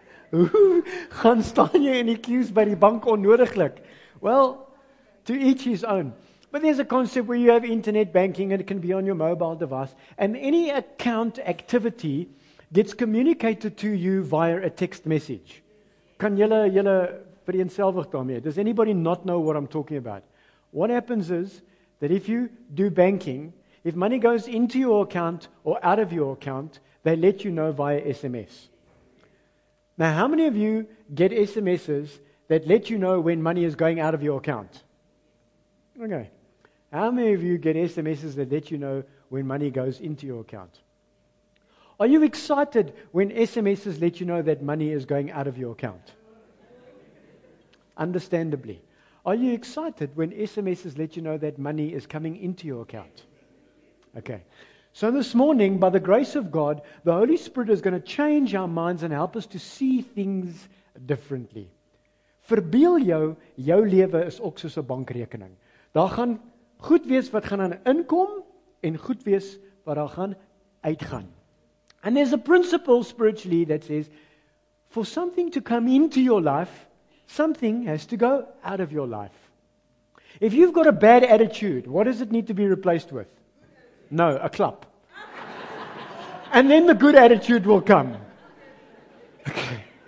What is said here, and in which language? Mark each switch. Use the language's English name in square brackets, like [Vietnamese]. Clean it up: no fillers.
[Afrikaans] Hoe gaan staan jy in die queues by die bank onnodiglik? [English] Well, to each his own. But there's a concept where you have internet banking and it can be on your mobile device. And any account activity gets communicated to you via a text message. [Afrikaans] Kan julle vereenselvig daarmee? [English] Does anybody not know what I'm talking about? What happens is that if you do banking, if money goes into your account or out of your account, they let you know via SMS. Now, how many of you get SMSs that let you know when money is going out of your account? Okay. How many of you get SMSs that let you know when money goes into your account? Are you excited when SMSs let you know that money is going out of your account? Understandably. Are you excited when SMSs let you know that money is coming into your account? Okay. So this morning, by the grace of God, the Holy Spirit is going to change our minds and help us to see things differently. [Afrikaans] Verbeel jou, jou lewe is ook soos 'n bankrekening. Daar gaan goed wees wat gaan aan inkom en goed wees wat daar gaan uitgaan. [English] And there's a principle spiritually that says, for something to come into your life, something has to go out of your life. If you've got a bad attitude, what does it need to be replaced with? No, a club. And then the good attitude will come. Okay.